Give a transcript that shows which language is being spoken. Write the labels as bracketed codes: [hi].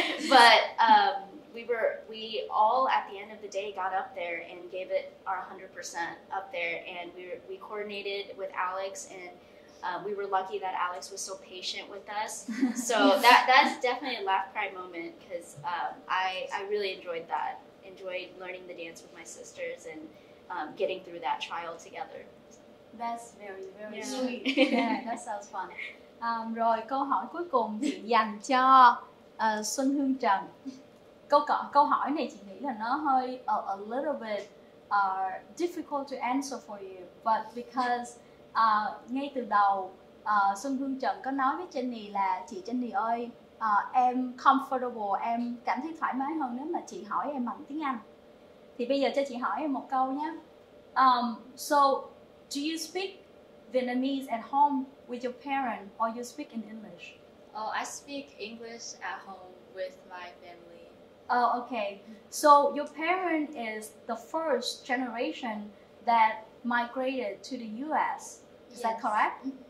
[en] But we all at the end of the day got up there and gave it our 100% up there, and we coordinated with Alex, and we were lucky that Alex was so patient with us. So that's definitely a laugh cry moment because I really enjoyed that. Enjoyed learning the dance with my sisters and getting through that trial together. That's very, very sweet. Yeah, that sounds fun. [vi] Rồi câu hỏi cuối cùng thì dành cho Xuân Hương Trần. Câu hỏi này chị nghĩ là nó hơi [en] a little bit difficult to answer for you, but because [vi] ngay từ đầu Xuân Hương Trần có nói với Jenny là chị Jenny ơi, em comfortable, em cảm thấy thoải mái hơn nếu mà chị hỏi em bằng tiếng Anh. Thì bây giờ cho chị hỏi em một câu nhé. [en] So do you speak Vietnamese at home with your parents or you speak in English? Oh, I speak English at home with my family. Oh, okay. So your parent is the first generation that migrated to the US. Is that correct?